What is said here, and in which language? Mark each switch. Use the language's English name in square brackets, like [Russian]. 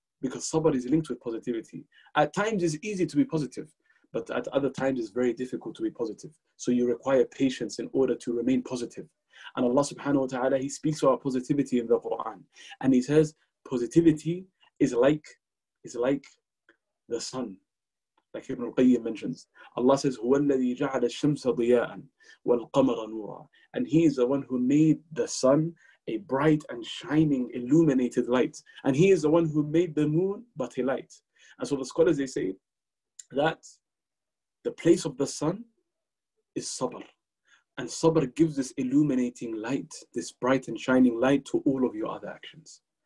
[English] Because sabr is linked with positivity. At times it's easy to be positive, but at other times it's very difficult to be positive. So you require patience in order to remain positive. And Allah subhanahu wa ta'ala, He speaks about positivity in the Quran. And He says, positivity is like the sun. Like Ibn al-Qayyim mentions. [Arabic] Allah says, هُوَ الَّذِي جَعَلَ الشَّمْسَ ضِيَاءً وَالْقَمَرَ نُورًا. [English] And He is the one who made the sun a bright and shining illuminated light. And He is the one who made the moon but a light. And so the scholars, they say that the place of the sun is sabr. And sabr gives this illuminating light, this bright and shining light to all of your other actions.